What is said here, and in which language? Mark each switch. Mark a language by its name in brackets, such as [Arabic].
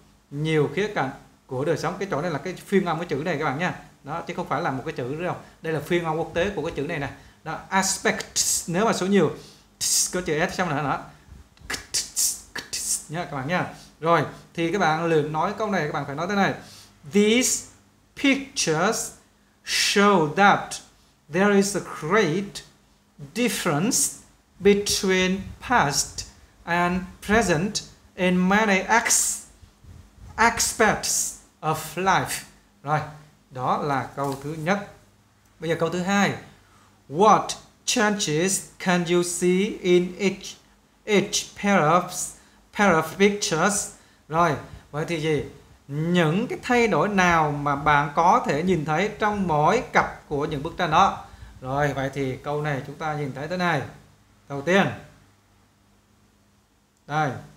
[Vietnamese] Nhiều khía cạnh của đời sống. Cái chỗ này là cái phiên âm cái chữ này các bạn nha. Đó, chứ không phải là một cái chữ đâu. Đây là phiên âm quốc tế của cái chữ này nè. Đó, aspects, nếu mà số nhiều có chữ S xong là nó nhá các bạn nhá. Rồi, thì các bạn luyện nói câu này các bạn phải nói thế này. [English] These pictures show that there is a great difference between past and present in many aspects of life. [Vietnamese] Rồi, đó là câu thứ nhất. Bây giờ câu thứ hai. [English] What changes can you see in each pair of pictures? [Vietnamese] Rồi, vậy thì gì? Những cái thay đổi nào mà bạn có thể nhìn thấy trong mỗi cặp của những bức tranh đó? Rồi, vậy thì câu này chúng ta nhìn thấy thế này. Đầu tiên. Đây.